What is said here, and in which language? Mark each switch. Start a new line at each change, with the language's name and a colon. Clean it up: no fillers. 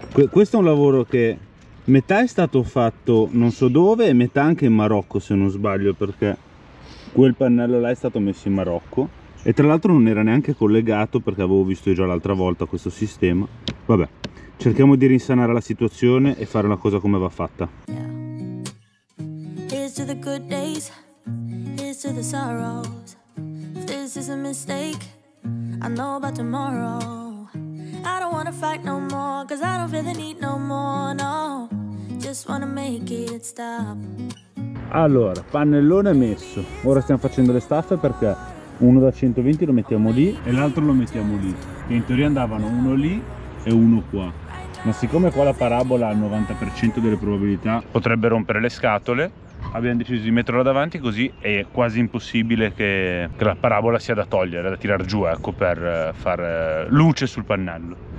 Italian: Questo è un lavoro che metà è stato fatto non so dove e metà anche in Marocco, se non sbaglio, perché quel pannello là è stato messo in Marocco. E tra l'altro non era neanche collegato, perché avevo visto già l'altra volta questo sistema. Vabbè, cerchiamo di risanare la situazione e fare una cosa come va fatta.
English: Here's to the good days, here's to the sorrows. This is a mistake, I know about tomorrow. I don't wanna fight no more, cause I don't feel the need no more, no. Just wanna make it stop.
Italian: Allora, pannellone messo. Ora stiamo facendo le staffe, perché uno da 120 lo mettiamo lì e l'altro lo mettiamo lì, che in teoria andavano uno lì e uno qua, ma siccome qua la parabola al 90% delle probabilità potrebbe rompere le scatole, abbiamo deciso di metterla davanti, così è quasi impossibile che la parabola sia da togliere, da tirar giù, ecco, per far luce sul pannello.